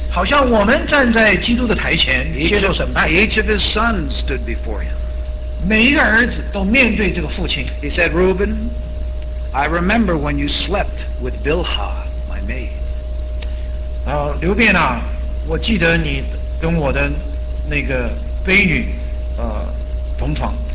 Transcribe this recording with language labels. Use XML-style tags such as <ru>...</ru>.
<zh>好像我们站在基督的台前接受审判。</zh> <en>Each of his sons stood before him.</en> <zh>每一个儿子都面对这个父亲。</zh> <en>He said, Reuben, I remember when you slept with Bilhah, my maid.</en> <zh>刘便啊，我记得你跟我的那个婢女，同床。</zh>